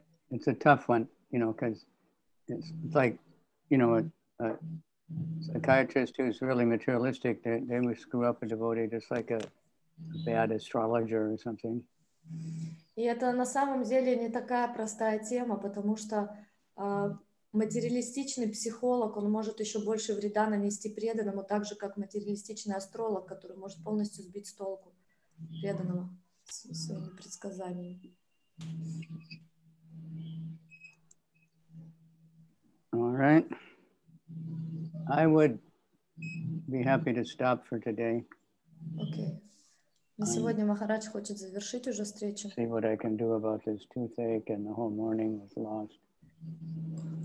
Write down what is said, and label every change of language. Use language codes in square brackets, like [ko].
[en] It's a tough one, you know, because it's like, you know, a psychiatrist who's really materialistic, they would screw up a devotee just like a bad astrologer or something. [ru] И это на самом деле не такая простая тема, потому что материалистичный психолог, он может еще больше вреда нанести преданному, так же, как материалистичный астролог, который может полностью сбить с толку преданного своими предсказаниями. [en] All right. I would be happy to stop for today. Okay. [ru] На сегодня Махарадж хочет завершить уже встречу. [en] See what I can do about this toothache and the whole morning was lost.